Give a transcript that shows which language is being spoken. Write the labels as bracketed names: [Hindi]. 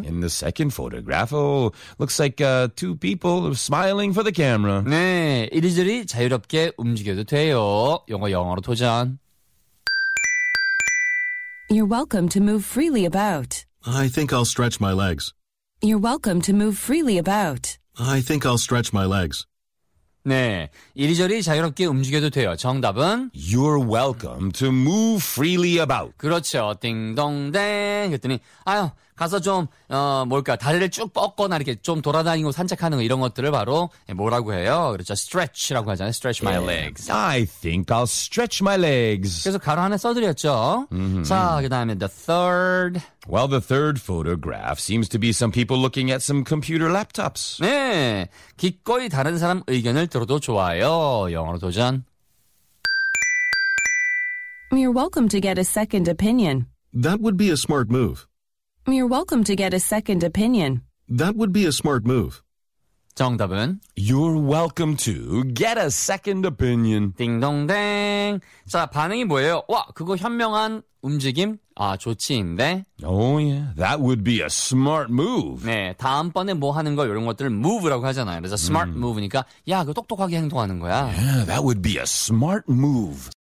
[English] In the second photograph, oh, looks like two people smiling for the camera. [Korean] 네, 이리저리 자유롭게 움직여도 돼요. 영어 영어로 도전. [English] You're welcome to move freely about. I think I'll stretch my legs. You're welcome to move freely about. I think I'll stretch my legs. [Korean] 네, 이리저리 자유롭게 움직여도 돼요. 정답은? [English] You're welcome to move freely about. [Korean] 그렇죠. 띵동댕. 그랬더니, 아유, 가서 좀, 뭘까, 다리를 쭉 뻗거나 이렇게 좀 돌아다니고 산책하는 거, 이런 것들을 바로 뭐라고 해요? 그렇죠. stretch라고 하잖아요. [English] stretch my legs. I think I'll stretch my legs. [Korean] 그래서 가로 하나 써드렸죠. Mm-hmm. 자, 그 다음에 [English] the third. Well, the third photograph seems to be some people looking at some computer laptops. [Korean] 네, 기꺼이 다른 사람 의견을 들어도 좋아요. 영어로 도전. [English] You're welcome to get a second opinion. That would be a smart move. You're welcome to get a second opinion. That would be a smart move. [Korean] 정답은? [English] You're welcome to get a second opinion. [Korean] 띵동댕. 자, 반응이 뭐예요? 와, 그거 현명한 움직임? 아, 좋지인데? [English] Oh, yeah. That would be a smart move. [Korean] 네, 다음번에 뭐 하는 거 이런 것들을 move라고 하잖아요. 그래서 smart move니까, 야, 그거 똑똑하게 행동하는 거야. [English] Yeah, that would be a smart move.